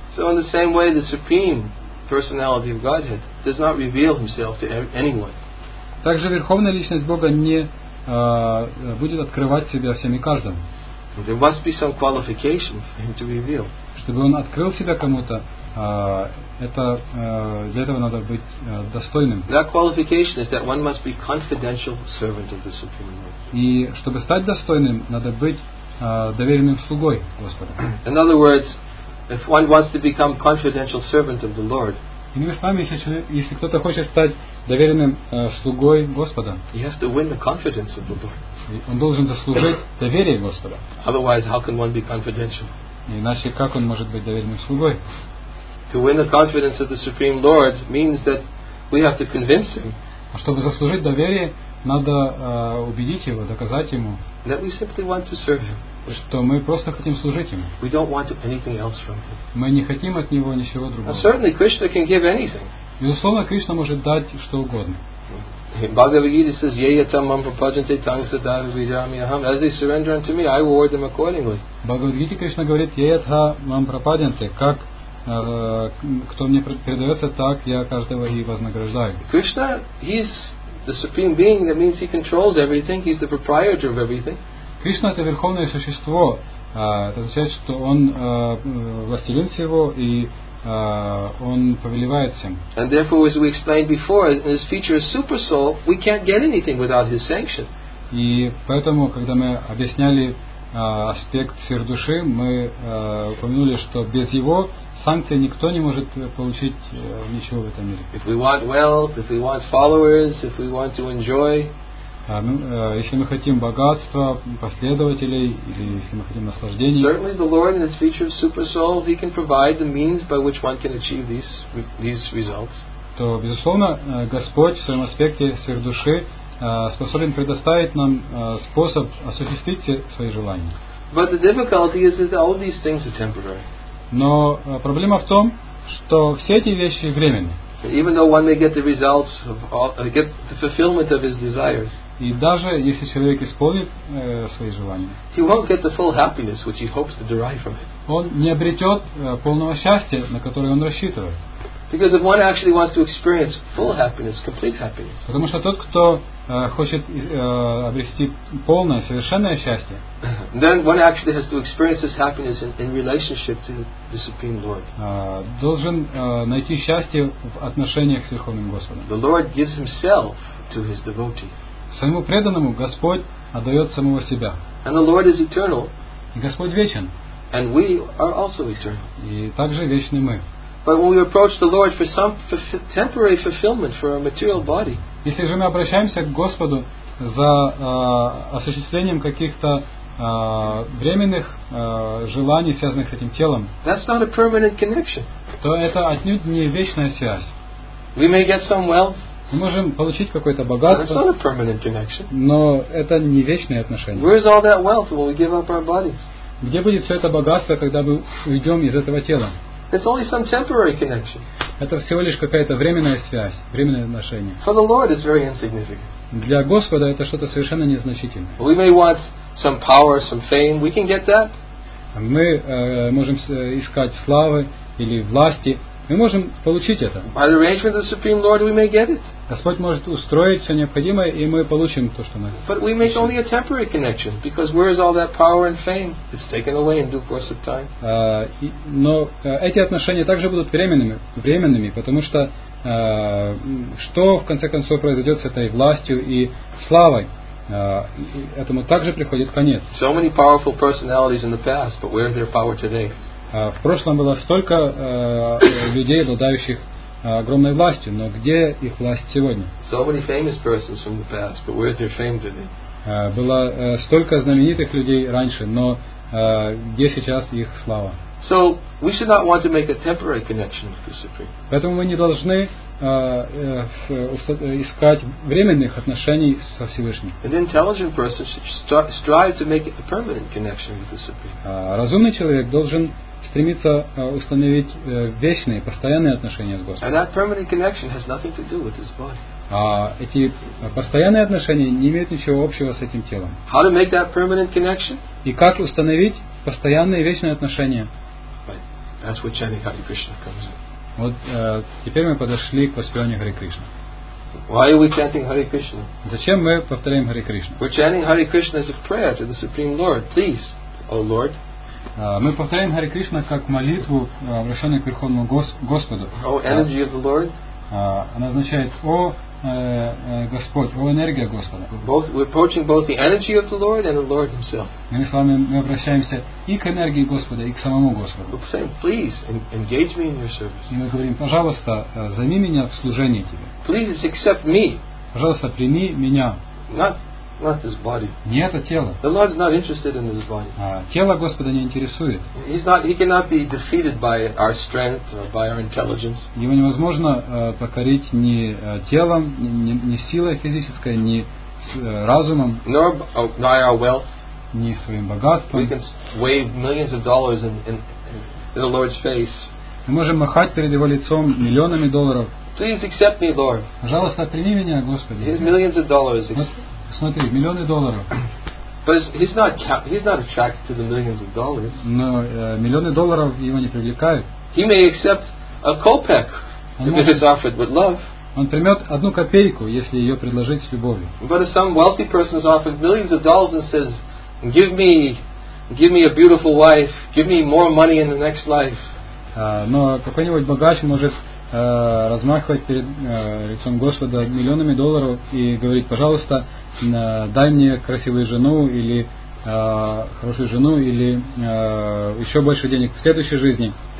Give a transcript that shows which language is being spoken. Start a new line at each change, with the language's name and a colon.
English: So in the same way, the supreme personality of Godhead does not reveal himself to anyone.
Russian: Также верховная личность Бога не будет открывать себя всем и каждому.
English: There must be some qualification for him to reveal.
Russian: Чтобы он открыл себя кому-то, это для этого надо быть достойным.
English: That qualification is that one must be confidential servant of the Supreme Lord.
Russian: И чтобы стать достойным, надо быть доверенным слугой Господа.
English: In other words, if one wants to become confidential servant of the Lord,
Russian: иными словами, если кто-то хочет стать доверенным слугой Господа,
English: he has to win the confidence of the Lord.
Russian: Он должен заслужить доверие Господа.
English: Otherwise, how can one be confidential?
Russian: Иначе как он может быть доверенным слугой?
English: To win the confidence of the Supreme Lord means that we have to convince him.
Russian: А чтобы заслужить доверие, надо убедить его, доказать ему,
English: that we simply want to serve him.
Russian: Что мы просто хотим служить ему.
English: We don't want anything else from him.
Russian: Мы не хотим от него ничего другого.
English: Now, certainly Krishna can give anything.
Russian: Безусловно, Кришна может дать что угодно.
Sanskrit: Бхагавад-гита says, "Yeya tam mam prapajante tangsa dada vijami aham."
English: As they surrender unto me, I reward them accordingly.
Russian: Бхагавад-гита Кришна говорит,
Sanskrit: "Yeya tam mam prapajante,"
Russian: как кто мне предается, так я каждого и вознаграждаю.
English: Krishna, he's the supreme being. That means he controls everything. He's the proprietor of everything.
Russian: Кришна это верховное существо. Это означает, что он властелин всего и он повелевает всем.
English: And therefore, as we explained before, in his feature of super soul, we can't get anything without his sanction.
Russian: И поэтому, когда мы объясняли аспект сверхдуши, мы упомянули, что без его санкции никто не может получить ничего в этом мире.
English: If we want wealth, if we want followers, if we want to enjoy.
Russian: Если мы хотим богатства, последователей, или если мы хотим наслаждений.
English: Certainly the Lord in his feature of super soul, he can provide the means by which one can achieve these results.
Russian: То, безусловно, Господь в своем аспекте сверхдуши способен предоставить нам способ осуществить все свои желания.
English: But the difficulty is that all these things are temporary.
Russian: Но проблема в том, что все эти вещи временны.
English: Even though one may get the results, get the fulfillment of his desires.
Russian: И даже если человек исполнит свои желания,
English: he won't get the full happiness which he hopes to derive from it.
Russian: Он не обретет полного счастья, на которое он рассчитывает.
English: Because if one actually wants to experience full happiness, complete happiness.
Russian: Потому что тот, кто хочет обрести полное, совершенное счастье,
English: then one actually has to experience this happiness in relationship to the Supreme Lord.
Russian: Должен найти счастье в отношениях с Верховным Господом.
English: The Lord gives himself to his devotee.
Russian: Своему преданному Господь отдает самого себя.
English: And the Lord is eternal.
Russian: И Господь вечен.
English: And we are also eternal.
Russian: И также вечны мы.
English: But when we approach the Lord for some temporary fulfillment for our material body.
Russian: Если же мы обращаемся к Господу за осуществлением каких-то временных желаний, связанных с этим телом,
English: that's not a permanent connection.
Russian: То это отнюдь не вечная связь.
English: We may get some wealth.
Russian: Мы можем получить какое-то богатство,
English: that's not a permanent connection.
Russian: Но это не вечные отношения.
English: Where is all that wealth when we give up our bodies?
Russian: Где будет все это богатство, когда мы уйдем из этого тела?
English: It's only some temporary connection.
Russian: Это всего лишь какая-то временная связь, временное отношение.
English: For the Lord, it's very insignificant.
Russian: Для Господа это что-то совершенно незначительное.
English: We may want some power, some fame. We can get that.
Russian: Мы можем искать славы или власти. Мы можем получить это.
English: By the arrangement of the Supreme Lord, we may get it.
Russian: Господь может устроить все необходимое, и мы получим то, что мы.
English: But we make only a temporary connection, because where is all that power and fame? It's taken away in due course of time.
Russian: Но эти отношения также будут временными, потому что что в конце концов произойдет с этой властью и славой? Этому также приходит конец.
English: So many powerful personalities in the past, but where is their power today?
Russian: В прошлом было столько людей, обладающих огромной властью, но где их власть сегодня?
English: So many famous persons from the past, but where is their fame today?
Russian: Было столько знаменитых людей раньше, но где сейчас их слава?
English: So we should not want to make a temporary connection with the Supreme.
Russian: Поэтому мы не должны искать временных отношений со Всевышним.
English: An intelligent person should strive to make a permanent connection with the Supreme.
Russian: Разумный человек должен стремиться установить вечные, постоянные отношения с Господом.
English: And that permanent connection has nothing to do with his body.
Russian: А эти постоянные отношения не имеют ничего общего с этим телом.
English: How to make that permanent connection?
Russian: И как установить постоянные вечные отношения?
English: Right. That's where chanting Hare Krishna comes in.
Russian: Вот теперь мы подошли к воспеванию Hare Krishna.
English: Why are we chanting Hare Krishna?
Russian: Зачем мы повторяем Hare Krishna?
English: We're chanting Hare Krishna as a prayer to the Supreme Lord. Please, O Lord.
Russian: Мы повторяем Харе Кришна как молитву, обращенную к Верховному Господу.
English: О, energy of the Lord.
Russian: Она означает о Господь, о энергия Господа.
English: Both, we're approaching both the energy of the Lord and the Lord himself.
Russian: Мы с вами обращаемся и к энергии Господа, и к самому Господу.
English: We're saying, please engage me in your service.
Russian: И мы говорим, пожалуйста, займи меня в служении тебе.
English: Please accept me.
Russian: Пожалуйста, прими меня.
English: Not not his body.
Russian: Не это тело.
English: The Lord is not interested in his body.
Russian: Тело Господа не интересует.
English: He's not, he cannot be defeated by our strength or by our intelligence.
Russian: Его невозможно покорить ни телом, ни силой физической, ни разумом.
English: Nor by our wealth.
Russian: Ни своим богатством.
English: We can wave millions of dollars in the Lord's face.
Russian: Мы можем махать перед его лицом миллионами долларов.
English: Please accept me, Lord.
Russian: Пожалуйста, прими меня, Господи.
English: He has millions of dollars.
Russian: Вот, смотри, миллионы долларов.
English: But he's not attracted to the millions of dollars.
Russian: Но миллионы долларов его не привлекают.
English: He may accept a kopeck if it's offered with love.
Russian: Он примет одну копейку, если ее предложить с любовью.
English: But if some wealthy person is offered millions of dollars and says, give me a beautiful wife, give me more money in the next life.
Russian: Но какой-нибудь богач может размахивать перед лицом Господа миллионами долларов и говорить, пожалуйста, дай мне красивую жену или хорошую жену или еще больше денег в следующей жизни.